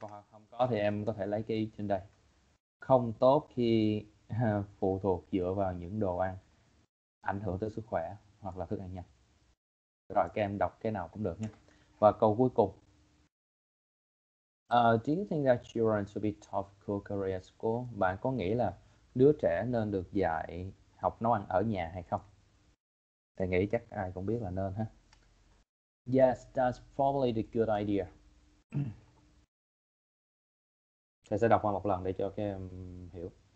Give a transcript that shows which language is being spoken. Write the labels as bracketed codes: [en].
[vi] Không có thì em có thể lấy cái ý trên đây. Không tốt khi phụ thuộc dựa vào những đồ ăn ảnh hưởng tới sức khỏe hoặc là thức ăn nhanh. Rồi các em đọc cái nào cũng được nhé. Và câu cuối cùng. [en] Do you think that children should be taught cook curry at school? [vi] Bạn có nghĩ là đứa trẻ nên được dạy học nấu ăn ở nhà hay không? Thầy nghĩ chắc ai cũng biết là nên ha. [en] Yes, that's probably the good idea. [vi] Thầy sẽ đọc qua một lần để cho các em hiểu.